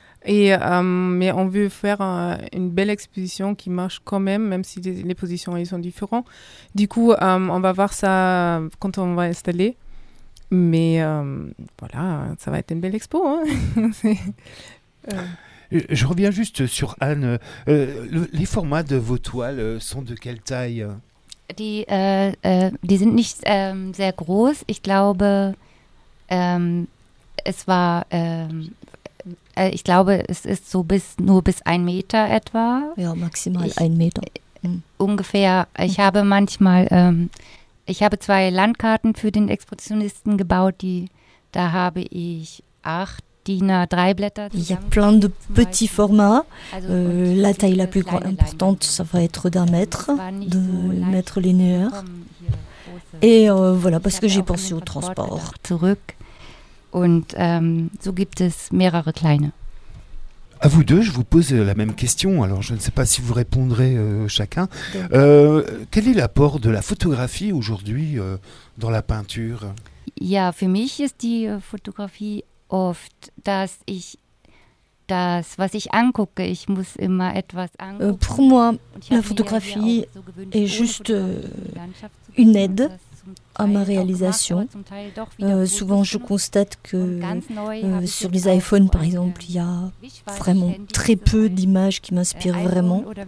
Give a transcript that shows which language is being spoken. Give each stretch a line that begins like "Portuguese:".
French: Mais on veut faire une belle exposition qui marche quand même si les positions elles sont différentes. Du coup, on va voir ça quand on va installer. Mais voilà, ça va être une belle expo. Hein. Je reviens juste sur Anne. Les formats de vos toiles sont de quelle taille?
German: Die sind nicht sehr groß. Ich glaube... es war, ich glaube, es ist so nur bis ein Meter etwa. Ja, maximal ein Meter. Ungefähr. Ich habe manchmal, ich habe zwei Landkarten für den Expressionisten gebaut, da habe ich 8 DIN A3 Blätter.
French: Il y a plein de petits formats. La taille la plus importante, ça va être d'un mètre, de mètre linéaire. Et voilà, parce que j'ai pensé au transport.
German: Zurück. Und so gibt es mehrere kleine.
French: À vous deux, je vous pose la même question. Alors, je ne sais pas si vous répondrez chacun. Quel est l'apport de la photographie aujourd'hui dans la peinture?
German: Ja, für mich ist die Fotografie oft, dass ich das, was ich angucke, ich muss immer etwas angucken.
French: Pour moi, la photographie est juste une aide à ma réalisation. Souvent, je constate que sur les iPhones, par exemple, il y a vraiment très peu d'images qui m'inspirent vraiment.